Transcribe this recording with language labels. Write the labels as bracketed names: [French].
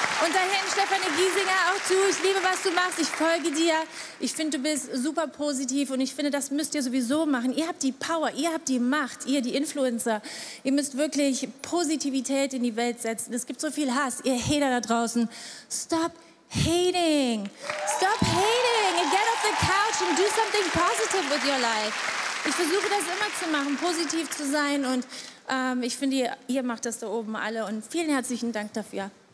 [German] Und dahin Stefanie Giesinger auch zu. Ich liebe, was du machst. Ich folge dir. Ich finde, du bist super positiv. Und ich finde, das müsst ihr sowieso machen. Ihr habt die Power, ihr habt die Macht, ihr die Influencer. Ihr müsst wirklich Positivität in die Welt setzen. Es gibt so viel Hass, ihr Hater da draußen. [English] Stop hating. Stop hating and get off the couch and do something positive with your life. [German] Ich versuche das immer zu machen, positiv zu sein und ich finde, ihr macht das da oben alle und vielen herzlichen Dank dafür.